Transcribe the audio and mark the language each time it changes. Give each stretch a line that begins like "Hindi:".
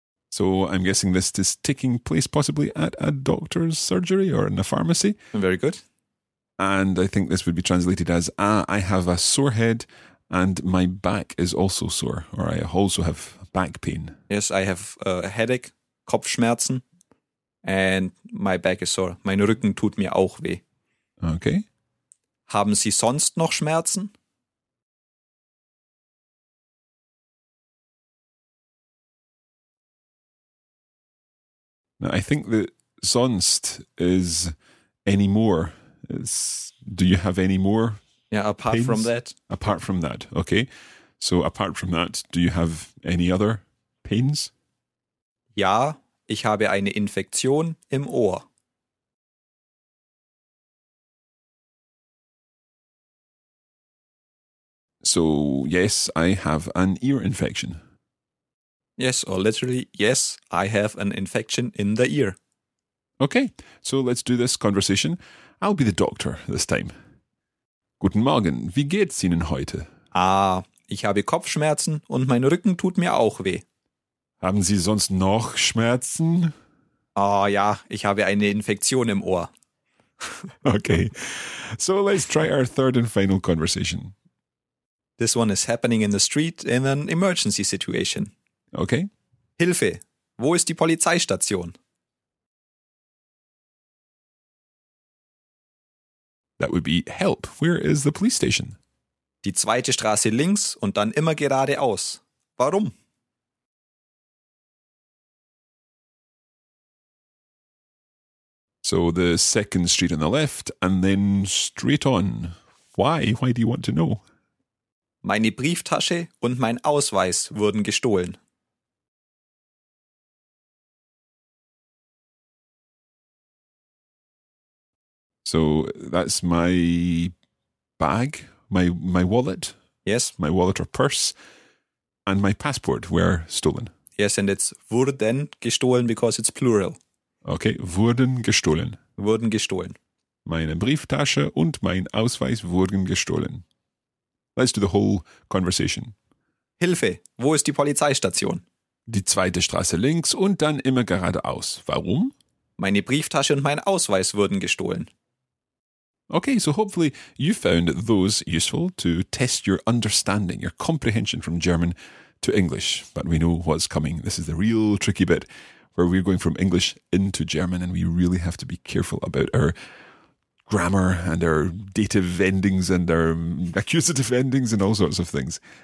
English: So I'm guessing this is taking place possibly at a doctor's surgery or in a pharmacy. Very good. And I think this would be translated as, ah, I have a sore head and my back is also sore, or I also have back pain. Yes, I have a headache, Kopfschmerzen, and my back is sore.
German: Mein Rücken tut mir auch weh.
English: Okay.
German: Haben Sie sonst noch Schmerzen?
English: Now, I think that sonst is any more. It's, do you have any more? Yeah, apart pains? From that. Apart from that, okay. So apart from that, do you have any other pains?
German: Ja, ich habe eine Infektion im Ohr.
English: So, yes, I have an ear infection. Yes, or literally, yes, I have an infection in the ear. Okay, so let's do this conversation. I'll be the doctor this time.
German: Guten Morgen, wie geht's Ihnen heute? Ah, ich habe Kopfschmerzen und mein Rücken tut mir auch weh. Haben Sie sonst noch Schmerzen? Ah, ja, ich habe eine Infektion im Ohr.
English: Okay, so let's try our third and final conversation. This one is happening in the street in an emergency situation. Okay.
German: Hilfe, wo ist die Polizeistation?
English: That would be help. Where is the police station?
German: Die zweite Straße links und dann immer geradeaus. Warum?
English: So the second street on the left and then straight on. Why? Why do you want to know?
German: Meine Brieftasche und mein Ausweis wurden gestohlen.
English: So that's my bag, my wallet. Yes. My wallet or purse and my passport were stolen. Yes, and it's
German: wurden gestohlen
English: because it's plural.
German: Okay, wurden gestohlen. Wurden gestohlen. Meine Brieftasche und mein Ausweis wurden gestohlen.
English: Let's do the whole conversation.
German: Hilfe, wo ist die Polizeistation? Die zweite Straße links und dann immer geradeaus. Warum? Meine Brieftasche und mein Ausweis wurden gestohlen.
English: Okay, so hopefully you found those useful to test your understanding, your comprehension from German to English. But we know what's coming. This is the real tricky bit where we're going from English into German and we really have to be careful about our grammar and our dative endings and our accusative endings and all sorts of things.